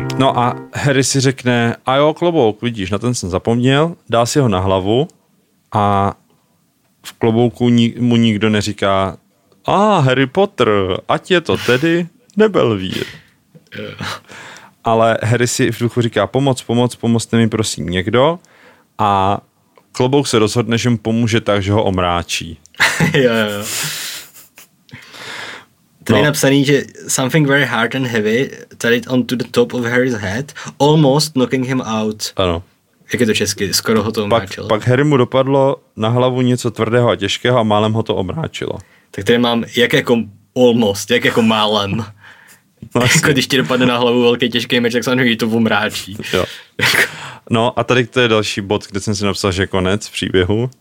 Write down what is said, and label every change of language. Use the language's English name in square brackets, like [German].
[Czech] No a Harry si řekne, a jo, klobouk, vidíš, na ten jsem zapomněl, dá si ho na hlavu a v klobouku mu nikdo neříká, a Harry Potter, ať je to tedy Nebelvír. Ale Harry si v duchu říká, pomoc, pomoc, pomozte mi prosím někdo a klobouk se rozhodne, že mu pomůže tak, že ho omráčí. Jo, jo. Tady je napsaný, že [English] something very hard and heavy tied onto the top of Harry's head, almost knocking him out. [Czech] Ano. Jak je to česky, skoro ho to omráčilo. Pak Harry mu dopadlo na hlavu něco tvrdého a těžkého a málem ho to omráčilo. Tak tady mám, jak jako almost, jak jako málem. Vlastně. Jako když ti dopadne na hlavu velký těžký meč, tak samozřejmě to omráčí. Jo. No a tady to je další bod, kde jsem si napsal, že konec příběhu.